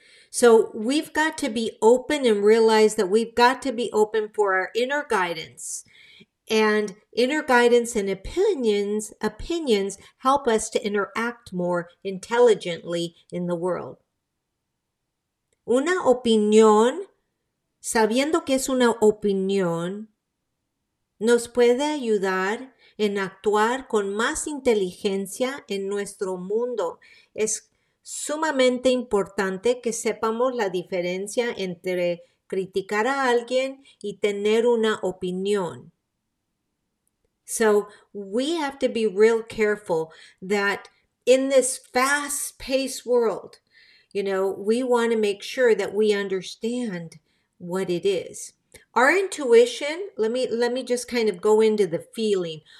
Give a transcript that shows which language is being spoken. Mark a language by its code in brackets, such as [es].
[en] So we've got to be open and realize that we've got to be open for our inner guidance. And inner guidance and opinions help us to interact more intelligently in the world. [es] Una opinión, sabiendo que es una opinión, nos puede ayudar en actuar con más inteligencia en nuestro mundo. Es sumamente importante que sepamos la diferencia entre criticar a alguien y tener una opinión. [en] So we have to be real careful that in this fast-paced world, you know, we want to make sure that we understand what it is. Our intuition, let me just kind of go into the feeling.